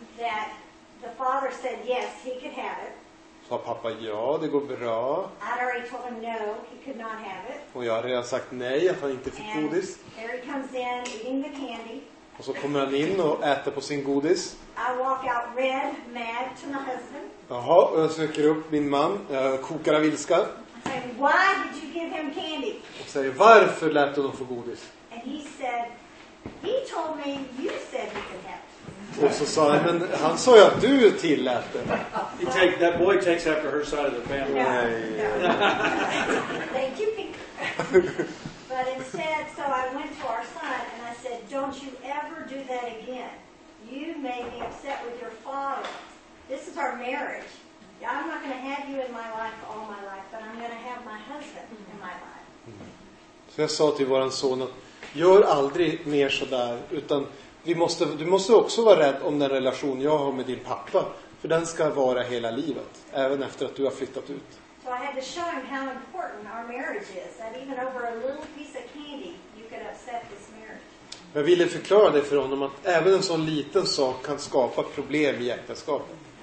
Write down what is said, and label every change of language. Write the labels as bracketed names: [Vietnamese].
[English] That the father said yes, he could have it. [Swedish] Sa pappa ja, det går bra. [English] I'd already told him no, he could not have it. [Swedish] Och jag har redan sagt nej, att han inte fick godis. [English] Here he comes in, eating the candy. [Swedish] Och så kommer han in och äter på sin godis. [English] I walk out red, mad to my husband. [Swedish] Jaha, och jag söker upp min man. Jag kokar av ilska. [English] I say, why did you give him candy? [Swedish] Och säger, varför lät du honom få godis? [English] And he said, he told me you said he could have. [Swedish] Och så sa han, men han sa ju att du tillät det. [English] That boy takes after her side of the family. No, thank you, Peter. But instead, so I went to our son and I said, don't you ever do that again. You made me upset with your father. This is our marriage. I'm not going to have you in my life all my life, but I'm going to have my husband in my life. [Swedish] Så jag sa till våran son att gör aldrig mer sådär, utan du måste också vara rädd om den relation jag har med din pappa, för den ska vara hela livet även efter att du har flyttat ut. [English] So I had to show him how important our marriage is, that even over a little piece of candy you could upset this marriage. [Swedish] Jag ville förklara det för honom att även en sån liten sak kan skapa problem i äktenskapet.